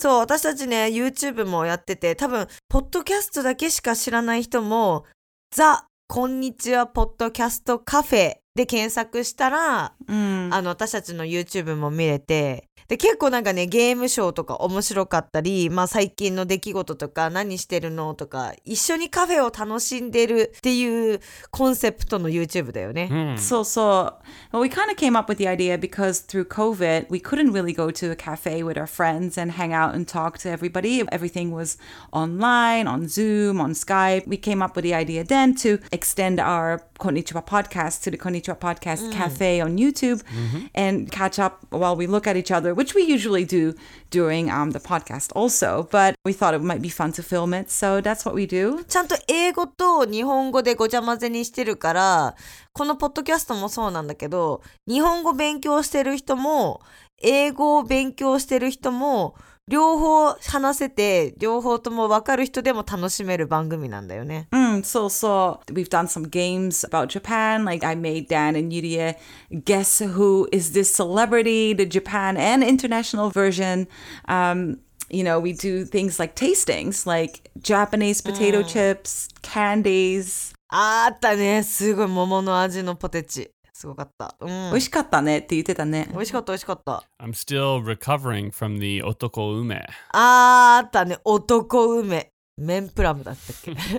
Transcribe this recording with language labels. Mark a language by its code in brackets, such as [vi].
[ja] そう、私たちね、YouTube もやってて、多分、ポッドキャストだけしか知らない人も、ザ・こんにちはポッドキャストカフェで検索したら、私たちの YouTube も見れて、で、結構なんかね、ゲームショーとか面白かったり、まあ最近の出来事とか、何してるのとか、一緒にカフェを楽しんでるっていうコンセプトの YouTube だよね。そうそう。 [en] Well, we kind of came up with the idea because through COVID, we couldn't really go to a cafe with our friends and hang out and talk to everybody. Everything was online, on Zoom, on Skype. We came up with the idea then to extend our Konnichiwa podcast to the Konnichiwa podcast cafe on YouTube and catch up while we look at each other. Which we usually do during the podcast also, but we thought it might be fun to film it, so that's what we do. [ja] ちゃんと英語と日本語でごちゃ混ぜにしてるから、このポッドキャストもそうなんだけど、日本語勉強してる人も、英語を勉強してる人も、両方話せて、両方とも分かる人でも楽しめる番組なんだよね。そうそう。 [en] We've done some games about Japan. Like, I made Dan and Yurie guess who is this celebrity, the Japan and international version. You know, we do things like tastings, like Japanese potato chips, candies. [ja] あったね。すごい桃の味のポテチ。すごかった。美味しかったねって言ってたね。美味しかった。 [en] I'm still recovering from the 男梅。 [ja] ああ、あったね。男梅。メンプラムだったっけ。